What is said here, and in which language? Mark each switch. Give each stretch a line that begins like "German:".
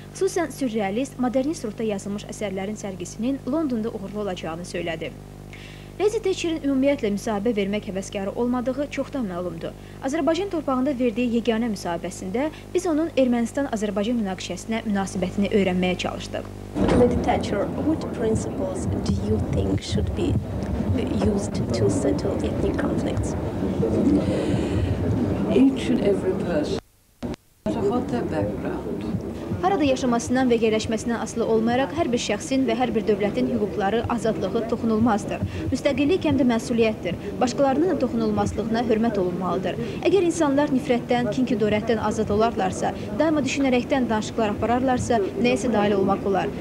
Azerbaijani: Xüsusən sürrealist, modernist ruhda yazılmış əsərlərin sərgisinin Londonda uğurlu olacağını söylədi. Rezi Teçir'in ümumiyyətlə müsahibə vermək həvəskarı olmadığı çoxdan məlumdur. Azərbaycan torpağında verdiyi yeganə müsahibəsində biz onun Ermənistan-Azərbaycan münaqişəsinə münasibətini öyrənməyə çalışdıq.
English: Lady Thatcher, what principles do you think should be used to settle ethnic conflicts? Each and every person, what their background.
Azerbaijani: Harada yaşamasından və yerləşməsindən asılı olmayaraq, hər bir şəxsin və hər bir dövlətin hüquqları, azadlığı toxunulmazdır. Müstəqillik həm də məsuliyyətdir. Başqalarının da toxunulmazlığına hörmət olunmalıdır. Əgər insanlar nifrətdən, kin-kudurətdən azad olarlarsa, daima düşünərəkdən danışıqlar apararlarsa, nəyəsə dahil olmaq olar.